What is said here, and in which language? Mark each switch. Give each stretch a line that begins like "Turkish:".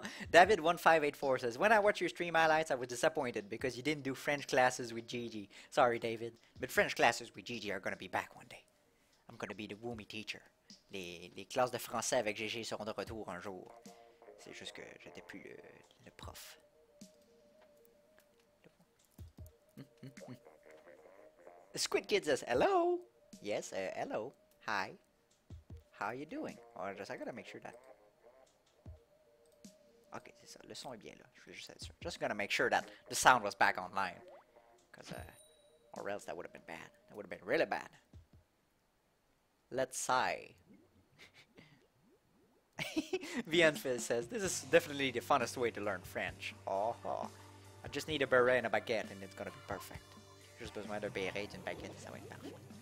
English: David1584 says, when I watch your stream highlights, I was disappointed because you didn't do French classes with Gigi. Sorry, David. But French classes with Gigi are going to be back one day. I'm going to be the woomy teacher.
French: Les classes de français avec Gigi seront de retour un jour. C'est juste que j'étais plus le prof.
English: Squid Kid says, hello. Yes, hello. Hi. How are you doing? Or just, I got to make sure that...
French: Ok, c'est ça. Le son est bien là. Je voulais juste être sûr.
English: Just gonna make sure that the sound was back online. Cause, or else that would have been bad. That would have been really bad. Let's sigh. Bienfil says, this is definitely the funnest way to learn French. Oh, oh. I just need a beret and a baguette and it's gonna be perfect.
French: Juste besoin d'un beret et une baguette, ça va être parfait.